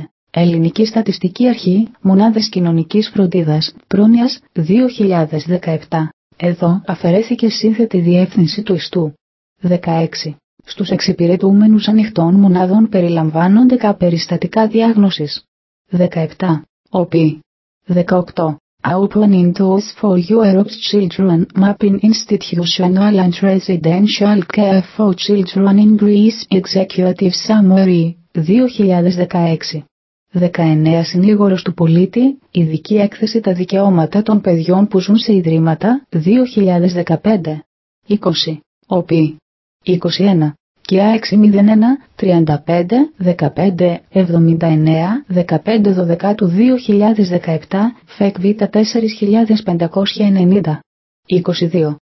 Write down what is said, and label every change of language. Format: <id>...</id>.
<el>Ελληνική Στατιστική Αρχή, Μονάδες Κοινωνικής Φροντίδας, Πρόνοιας, 2017. Εδώ αφαιρέθηκε σύνθετη διεύθυνση του ιστού. 16. Στους εξυπηρετούμενους ανοιχτών μονάδων περιλαμβάνονται κα περιστατικά διάγνωσης. 17. ΟΠΗ. 18.</el> <en>Open doors for Europe's children, mapping institutional and residential care for children in Greece, executive summary, 2016. 19.</en> <el>Συνήγορος του πολίτη, ειδική έκθεση τα δικαιώματα των παιδιών που ζουν σε ιδρύματα, 2015. 20. ΟΠΗ. 21. ΚΙΑ 601, 35, 15, 79, 15, 12 του 2017, ΦΕΚ Β 4590. 22.</el>